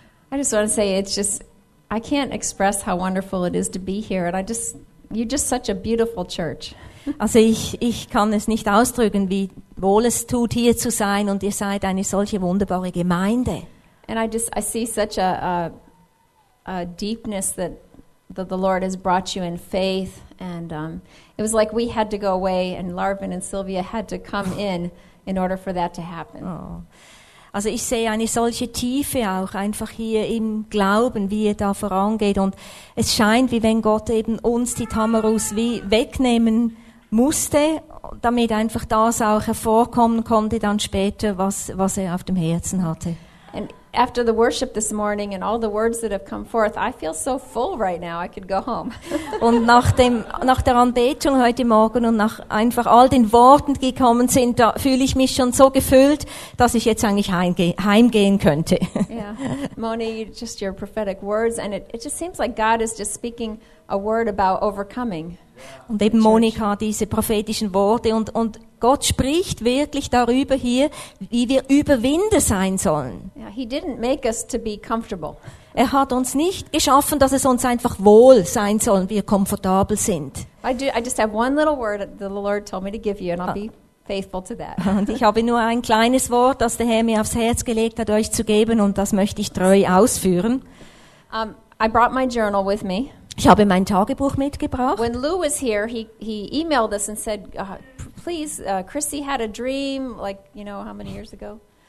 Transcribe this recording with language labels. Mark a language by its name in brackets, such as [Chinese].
[English] I just want to say it's just, I can't express how wonderful it is to be here, and you're just such a beautiful church. [German] Also ich kann es nicht ausdrücken, wie wohl es tut, hier zu sein, und ihr seid eine solche wunderbare Gemeinde. [English] And I see such a deepness that the Lord has brought you in faith, and it was like we had to go away, and Larvin and Sylvia had to come in order for that to happen. Oh. [German] Also ich sehe eine solche Tiefe auch einfach hier im Glauben, wie ihr da vorangeht. Und es scheint, wie wenn Gott eben uns die Tamarus wie wegnehmen musste, damit einfach das auch hervorkommen konnte dann später, was er auf dem Herzen hatte. [English] And after the worship this morning and all the words that have come forth, I feel so full right now, I could go home. [German] Und nach der Anbetung heute Morgen und nach einfach all den Worten, die gekommen sind, da fühle ich mich schon so gefüllt, dass ich jetzt eigentlich heimgehen könnte. Yeah. [English] Moni, just your prophetic words, and it just seems like God is just speaking a word about overcoming. [German] Und eben Monika, diese prophetischen Worte und Gott spricht wirklich darüber hier, wie wir Überwinder sein sollen. [English] Yeah, he didn't make us to be comfortable. [German] Er hat uns nicht geschaffen, dass es uns einfach wohl sein soll, wir komfortabel sind. [English] I just have one little word that the Lord told me to give you, and I'll be faithful to that. [German] Und ich habe nur ein kleines Wort, das der Herr mir aufs Herz gelegt hat, euch zu geben, und das möchte ich treu ausführen. [English] I brought my journal with me. [German] Ich habe mein Tagebuch mitgebracht. [English] When Lou was here, he emailed us and said, please, Chrissy had a dream, like, you know, how many years ago?